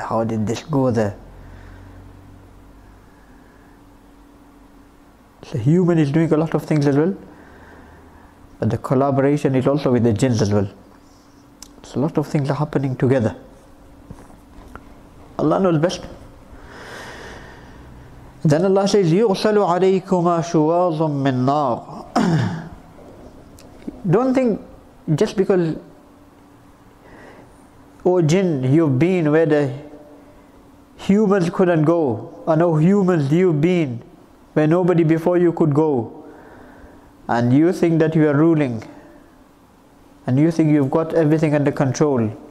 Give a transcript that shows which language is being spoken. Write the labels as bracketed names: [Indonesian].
[English] How did this go there? So human is doing a lot of things as well. But the collaboration is also with the jinns as well. So a lot of things are happening together. Allah knows best. Then Allah says, [Arabic] يُغْسَلُ عَلَيْكُمَا شُوَاظٌ مِّن نَارٍ. [English] Don't think just because, oh jinn, you've been where the humans couldn't go, and oh humans, you've been where nobody before you could go, and you think that you are ruling, and you think you've got everything under control.